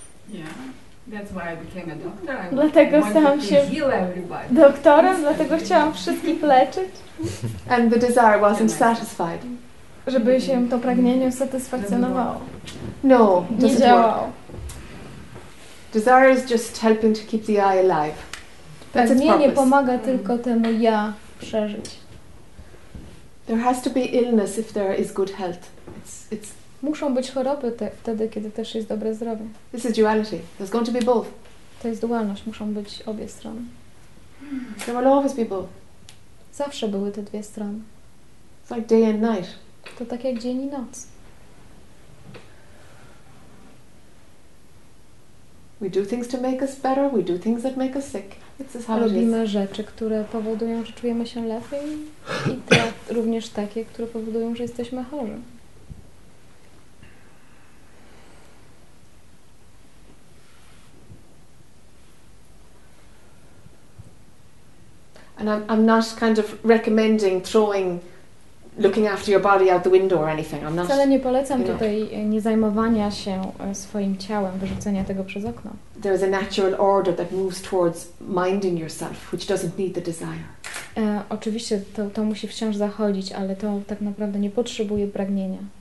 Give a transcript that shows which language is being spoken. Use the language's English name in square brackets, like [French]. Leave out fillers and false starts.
[English] Yeah, that's why I became a doctor. [Polish] Dlatego stałam się doktorem. Dlatego chciałam wszystkich leczyć. [English] And the desire wasn't satisfied. [Polish] Żeby się to pragnienie usatysfakcjonowało. [English] No, [Polish] nie działało. [English] Desire is just helping to keep the I alive. [Polish] Pragnienie pomaga tylko temu ja przeżyć. [English] There has to be illness if there is good health. It's [Polish] muszą być choroby wtedy, kiedy też jest dobre zdrowie. [English] This is duality. There's going to be both. [Polish] To jest dualność. Muszą być obie strony. [English] There will always be both. [Polish] Zawsze były te dwie strony. [English] It's like day and night. [Polish] To tak jak dzień i noc. [English] We do things to make us better, we do things that make us sick. It's as hard [Polish] robimy [English] as [Polish] rzeczy, które powodują, że czujemy się lepiej i te, również takie, które powodują, że jesteśmy chorzy. [English] And I'm not kind of recommending throwing looking after your body out the window or anything. I'm not. [Polish] Wcale nie polecam tutaj nie zajmowania się swoim ciałem, wyrzucenia tego przez okno. [English] There is a natural order that moves towards minding yourself, which doesn't need the desire. [Polish] Oczywiście to musi wciąż zachodzić, ale to tak naprawdę nie potrzebuje pragnienia.